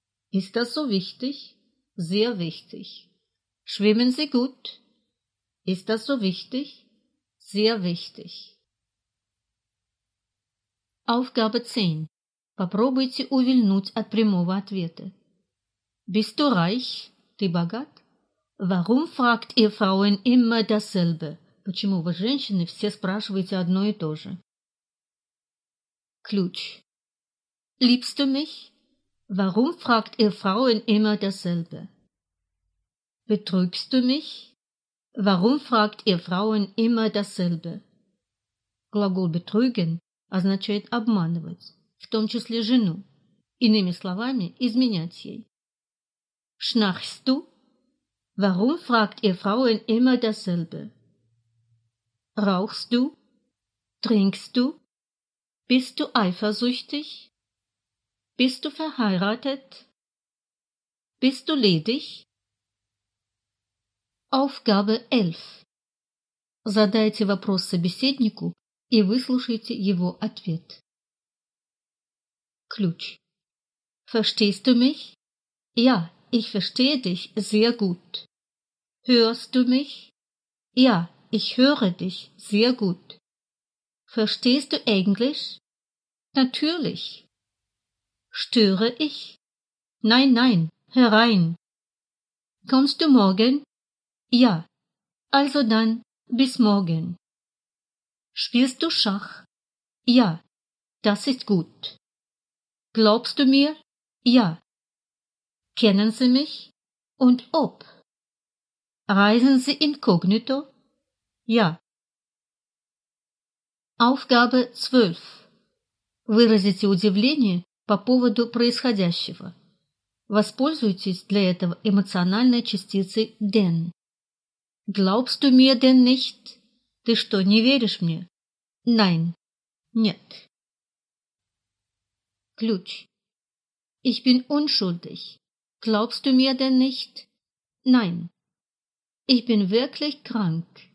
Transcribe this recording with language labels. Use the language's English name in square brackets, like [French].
[German] Ist das so wichtig? Sehr wichtig. Schwimmen Sie gut? Ist das so wichtig? Sehr wichtig. Aufgabe 10. [Russian] Попробуйте увильнуть от прямого ответа. [German] Bist du reich? [Russian] Ты богат? [German] Warum fragt ihr Frauen immer dasselbe? [Russian] Почему вы, женщины, все спрашиваете одно и то же? [German] Ключ. Liebst du mich? Warum fragt ihr Frauen immer dasselbe? Betrügst du mich? Warum fragt ihr Frauen immer dasselbe? [Russian] Глагол betrügen означает обманывать, в том числе жену, иными словами, изменять ей. [German] Schnarchst du? Warum fragt ihr Frauen immer dasselbe? Rauchst du? Trinkst du? Bist du eifersüchtig? Bist du verheiratet? Bist du ledig? Aufgabe 11. [Russian] Задайте вопрос собеседнику и выслушайте его ответ. [German] Ключ. Verstehst du mich? Ja, ich verstehe dich sehr gut. Hörst du mich? Ja, ich höre dich sehr gut. Verstehst du Englisch? Natürlich. Störe ich? Nein, nein, herein. Kommst du morgen? Ja, also dann, bis morgen. Spielst du Schach? Ja, das ist gut. Glaubst du mir? Ja. Kennen Sie mich? Und ob? Reisen Sie inkognito? Ja. Aufgabe 12. [Russian] Выразите удивление по поводу происходящего. Воспользуйтесь для этого эмоциональной частицей «den». [German] Glaubst du mir denn nicht? [Russian] Ты что, не веришь мне? [German] Nein. [Russian] Нет. [German] Ключ. Ich bin unschuldig. Glaubst du mir denn nicht? Nein. Ich bin wirklich krank.